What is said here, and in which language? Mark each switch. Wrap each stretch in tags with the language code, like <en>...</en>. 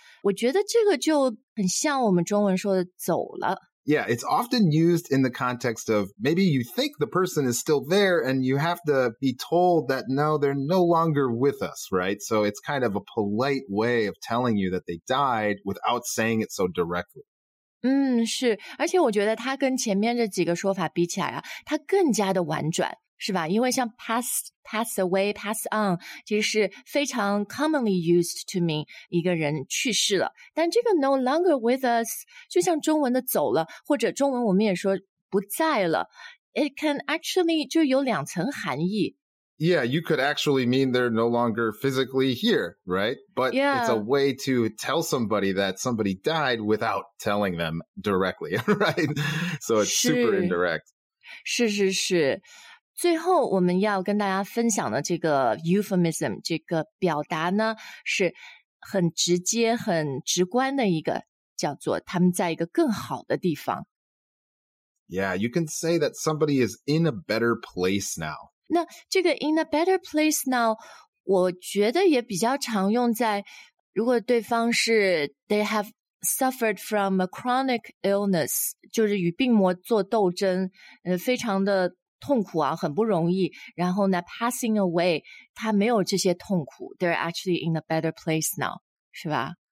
<zh>我觉得这个就很像我们中文说的走了。</zh> <en>Yeah, it's often used in the context of maybe you think the person is still there and you have to be told that no, they're no longer with us, right? So it's kind of a polite way of telling you that they died without saying it so directly.</en> <zh>是，而且我觉得它跟前面这几个说法比起来啊，它更加的婉转，是吧？因为像 pass away, pass on, 其实是非常</zh> <en>commonly used to mean</en> <zh>一个人去世了。但这个 no longer with us, 就像中文的走了，或者中文我们也说不在了，</zh> <en>it can actually</en> <zh>就有两层含义。</zh> <en>Yeah, you could actually mean they're no longer physically here, right? But yeah. It's a way to tell somebody that somebody died without telling them directly, right? So it's super indirect.</en> <zh>是是是。最后我们要跟大家分享的这个 euphemism, 这个表达呢是很直接很直观的一个叫做他们在一个更好的地方。</zh> <en>Yeah, you can say that somebody is in a better place now.</en> <zh>那这个 in a better place now, 我觉得也比较常用在如果对方是</zh> <en>they have suffered from a chronic illness,</en> <zh>就是与病魔做斗争非常的痛苦啊很不容易然后呢 passing away, 他没有这些痛苦</zh> <en>they're actually in a better place now,</en> <zh>是吧</zh>